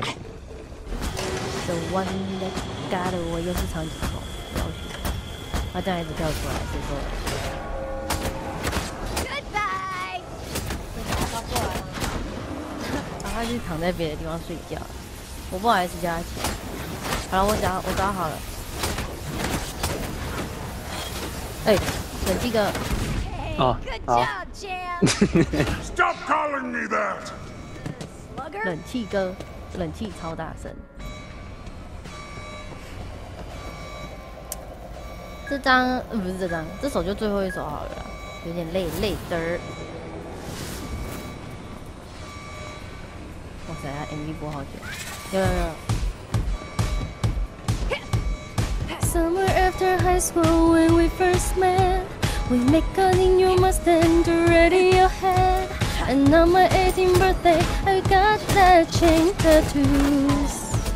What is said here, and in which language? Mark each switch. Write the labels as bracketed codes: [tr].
[en] The one that got away， [zh] 又是长颈鹿，老鼠。他这样一直跳出来，就说。他就躺在别的地方睡觉，我不好意思叫他起来。好了，我找好了。哎，冷静哥。哦，好。 [en] Stop calling me that。 [zh] 冷气哥，冷气超大声。这张、不是这张，这首就最后一首好了，有点累累的。哇塞，他 MV 播好久，有有有。 [en] Summer after high school when we first met, we make a new Mustang to ready your head. And on my 18th birthday, I got that chain tattoos.